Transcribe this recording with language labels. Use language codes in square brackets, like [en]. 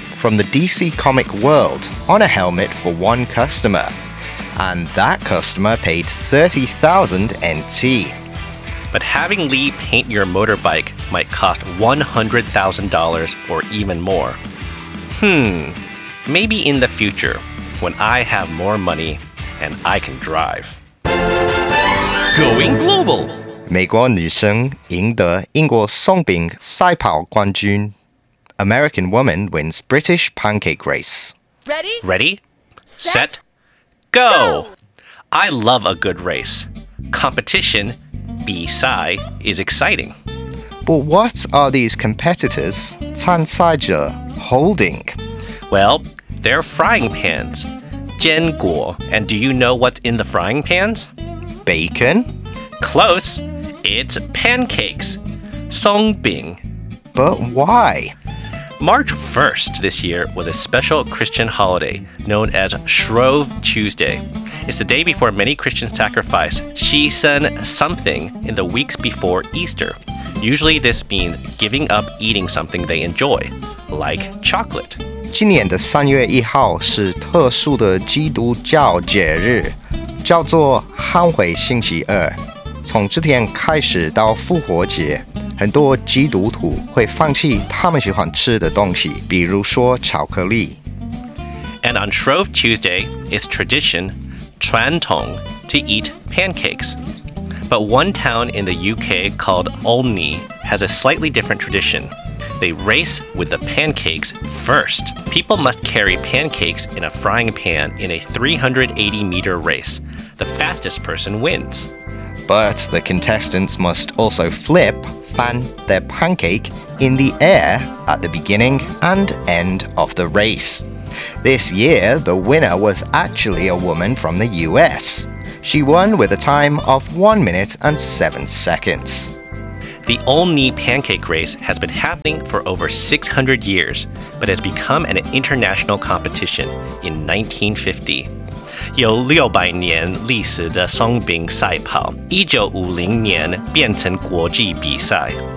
[en] from the DC comic world on a helmet for one customer, and that customer paid 30,000 NT. But having Li paint your motorbike. Might cost $100,000 or even more. Maybe in the future, when I have more money and I can drive. Going global! [zh] 美国女生赢得英国鬆餅賽跑冠軍. [en] American woman wins British Pancake Race. Ready? Ready? Set? Go! I love a good race. Competition, bisai, is exciting. But what are these competitors, 参赛者, holding? Well, they're frying pans, 煎果. And do you know what's in the frying pans? Bacon? Close! It's pancakes, 松饼. But why? March 1st this year was a special Christian holiday known as Shrove Tuesday. It's the day before many Christians sacrifice 牺牲 something in the weeks before Easter. Usually this means giving up eating something they enjoy, like chocolate. [zh] 今年的三月一号是特殊的基督教节日,叫做懺悔星期二。从这天开始到复活节,很多基督徒会放弃他们喜欢吃的东西,比如说巧克力。 [en] And on Shrove Tuesday, it's tradition, 传统, to eat pancakes. But one town in the UK called Olney has a slightly different tradition. They race with the pancakes first. People must carry pancakes in a frying pan in a 380-meter race. The fastest person wins. But the contestants must also flip, 翻, their pancake in the air at the beginning and end of the race. This year, the winner was actually a woman from the US. She won with a time of 1 minute and 7 seconds. The Olney Pancake Race has been happening for over 600 years, but has become an international competition in 1950. [zh] 有六百年历史的松饼赛跑1950年变成国际比赛。